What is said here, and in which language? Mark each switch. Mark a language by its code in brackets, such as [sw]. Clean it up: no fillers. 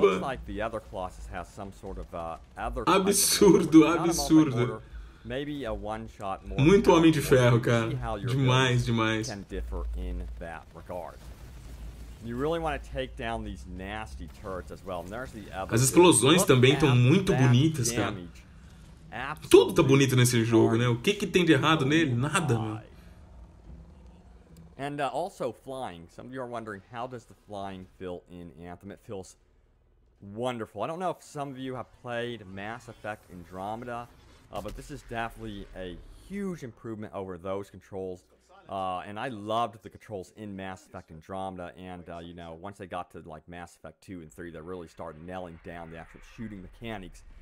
[en] Looks like the other Colossus has some sort of other. [pt] Absurdo, absurdo. [en] Maybe a one-shot mortar. [pt] Muito homem de ferro, cara. Demais, demais. [en] Can differ in that regard. You really want to take down these nasty turrets as well. And there's the other. [pt] As explosões também estão muito bonitas, cara. Tudo tá bonito nesse jogo, né? O que que tem de errado nele? Nada, mano. [en] And also flying. Some of you are wondering, how does the flying feel in Anthem? It feels wonderful. I don't know if some of you have played Mass Effect Andromeda, but this is definitely a huge improvement over those controls. And I loved the controls in Mass Effect Andromeda, and you know, once they got to like Mass Effect 2 and 3, they really started nailing down the actual shooting mechanics.